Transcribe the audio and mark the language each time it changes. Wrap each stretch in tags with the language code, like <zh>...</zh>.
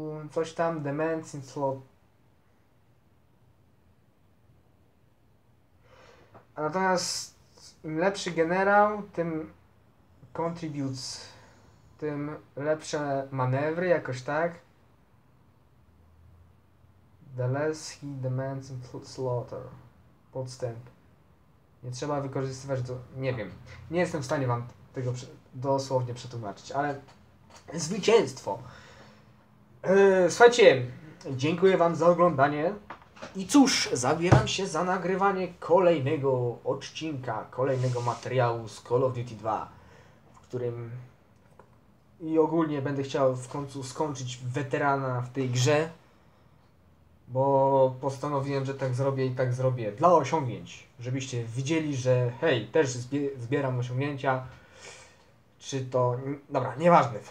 <pl>Coś tam,</pl> <en>demands in slaughter.</en> <pl>Natomiast im lepszy generał, tym contributes, tym lepsze manewry, jakoś tak.</pl> <en>The less he demands in slaughter.</en> <pl>Podstęp. Nie trzeba wykorzystywać do... Nie wiem. Nie jestem w stanie wam tego dosłownie przetłumaczyć, ale... Zwycięstwo! Słuchajcie, dziękuję wam za oglądanie. I cóż, zabieram się za nagrywanie kolejnego odcinka, kolejnego materiału z Call of Duty 2, w którym i ogólnie będę chciał w końcu skończyć weterana w tej grze, bo postanowiłem, że tak zrobię i tak zrobię dla osiągnięć, żebyście widzieli, że hej, też zbieram osiągnięcia, czy to... Dobra, nieważne.</pl>